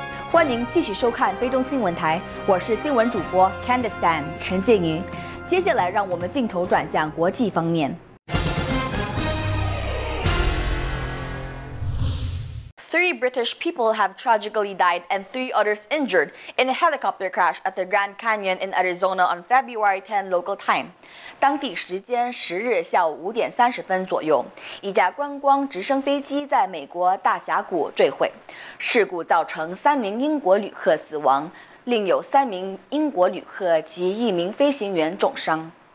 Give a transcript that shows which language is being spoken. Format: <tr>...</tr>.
<zh>欢迎继续收看非中新闻台，我是新闻主播 Candice Tan 陈静瑜。接下来让我们镜头转向国际方面。</zh> <en>Three British people have tragically died and three others injured in a helicopter crash at the Grand Canyon in Arizona on February 10 local time.</en> <zh>当地时间十日下午5:30左右，一架观光直升飞机在美国大峡谷坠毁，事故造成三名英国旅客死亡，另有三名英国旅客及一名飞行员重伤。</zh>